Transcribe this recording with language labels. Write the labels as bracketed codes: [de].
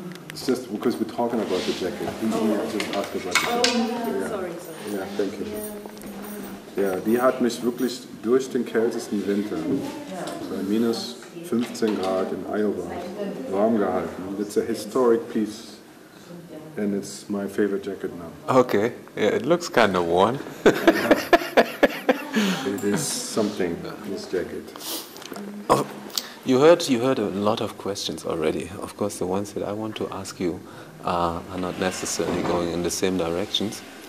[en] It's just because we're talking about the jacket. We need to ask about the jacket. Oh, sorry. Yeah, thank you. [de] Ja, die hat mich wirklich durch den kältesten Winter bei minus 15 Grad in Iowa warm gehalten. [en] It's a historic piece and it's my favorite jacket now. Okay, yeah, it looks kind of worn. It is something, this jacket. Oh, you heard a lot of questions already. Of course, the ones that I want to ask you are not necessarily going in the same directions.